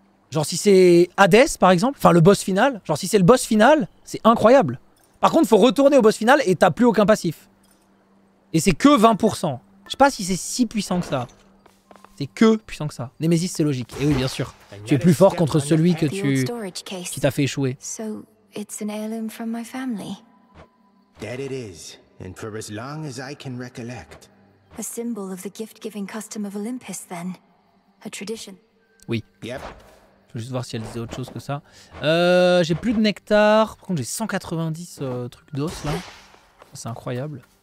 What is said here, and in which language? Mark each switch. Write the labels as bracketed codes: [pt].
[fr] Genre si c'est Hadès par exemple, enfin le boss final, genre si c'est le boss final, c'est incroyable. Par contre, faut retourner au boss final et t'as plus aucun passif. Et c'est que 20%. Je sais pas si c'est si puissant que ça. C'est que puissant que ça. Nemesis, c'est logique. Et oui, bien sûr. Tu es plus fort contre celui que tu qui t'a fait échouer. [en] So, it's an heirloom from my family. That it is, and for as long as I can recollect. A symbol of the gift-giving custom of Olympus then, a tradition. [fr] Oui. Yep. Faut juste voir si elle disait autre chose que ça. J'ai plus de nectar. Par contre, j'ai 190 trucs d'os là. C'est incroyable.